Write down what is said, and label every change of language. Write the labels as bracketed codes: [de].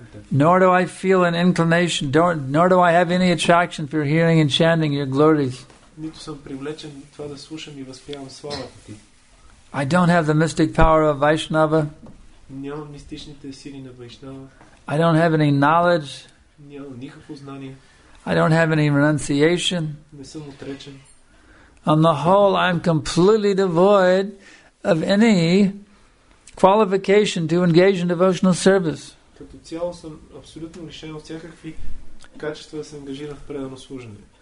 [en] Nor do I feel an inclination, nor do I have any attraction for hearing and chanting your glories. [bg] Нито съм привлечен това да слушам и възпявам славата ти. [en] I don't have the mystic power of Vaishnava. [bg] Нямам мистичните сили на Вайшнава. [en] I don't have any knowledge. [bg] Нямам никакво знание. [en] I don't have any renunciation. [bg] Не съм отречен. [en] On the whole, I'm completely devoid of any qualification to engage in devotional service. [bg] Като цяло съм абсолютно лишен от всякакви качества да се ангажирам в предано служене.